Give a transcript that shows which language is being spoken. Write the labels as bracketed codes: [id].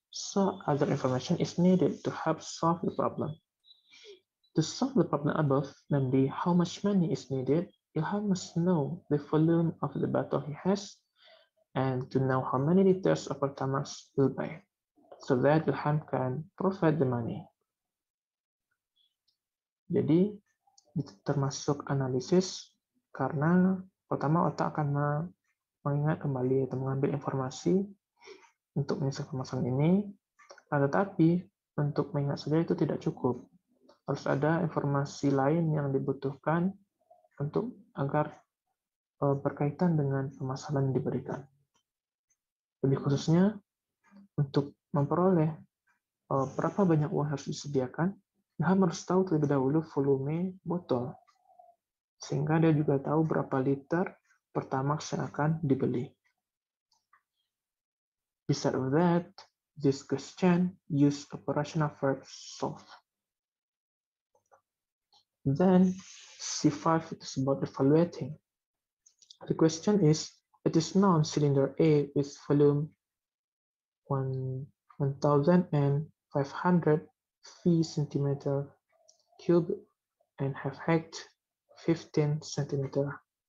[en] So other information is needed to help solve the problem. To solve the problem above, namely how much money is needed, Ilham must know the volume of the bottle he has and to know how many liters of Pertamax will buy so that Ilham can provide the money. [id] Jadi itu termasuk analisis karena pertama otak akan mengingat kembali atau mengambil informasi untuk menyelesaikan permasalahan ini, tetapi untuk mengingat saja itu tidak cukup. Harus ada informasi lain yang dibutuhkan untuk agar berkaitan dengan permasalahan yang diberikan. Lebih khususnya untuk memperoleh berapa banyak uang harus disediakan, dia harus tahu terlebih dahulu volume botol, sehingga dia juga tahu berapa liter Pertamax yang akan dibeli. [en] Besides that, this question use operational verb solve. Then C5 is about evaluating. The question is, it is known cylinder A with volume 1,500 feet centimeter cube and have height 15 centimeter.